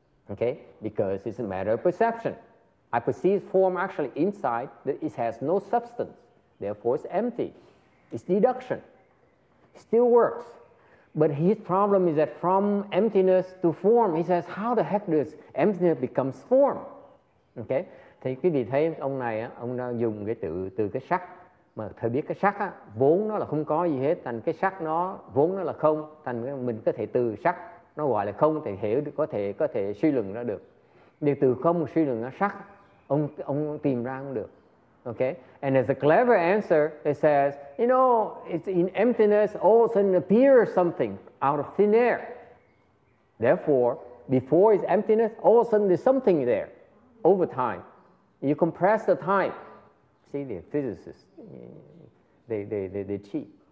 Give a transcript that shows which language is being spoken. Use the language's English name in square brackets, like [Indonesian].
[English] Okay? Because it's a matter of perception. I perceive form actually inside. It has no substance. Therefore, it's empty. It's deduction. Still works. But his problem is that from emptiness to form, he says, how the heck does emptiness become form? Okay? [Vietnamese] Thì quý vị thấy ông này, ông đang dùng cái từ từ cái sắc. Mà thời biết cái sắc á, vốn nó là không có gì hết, thành cái sắc nó, vốn nó là không. Thành mình có thể từ sắc, nó gọi là không, thì hiểu được, có thể suy luận ra được. Điều từ không suy luận ra sắc, ông tìm ra không được. [English] Okay, and as a clever answer, it says, you know, it's in emptiness, all of a sudden appears something out of thin air. Therefore, before it's emptiness, all of a sudden there's something there over time. You compress the time. See, the physicists, they cheat.